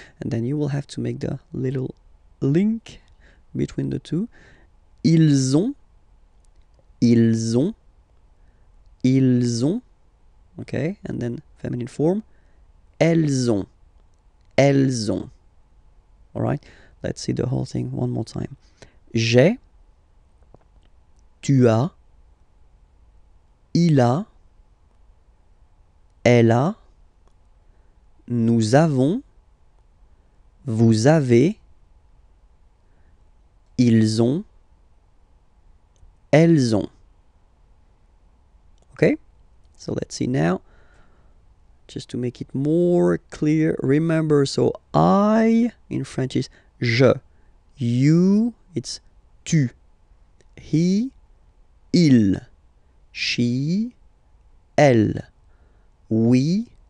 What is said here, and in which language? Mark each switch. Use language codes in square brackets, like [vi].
[en] And then you will have to make the little link between the two. [fr] Ils ont, ils ont, ils ont. [en] Okay, and then feminine form, [fr] elles ont, elles ont. [en] All right, let's see the whole thing one more time. [fr] J'ai, tu as, il a, elle a, nous avons, vous avez, ils ont, elles ont. [en] So let's see now, just to make it more clear, remember, so I in French is je, you, it's tu, he, il, she, elle, we,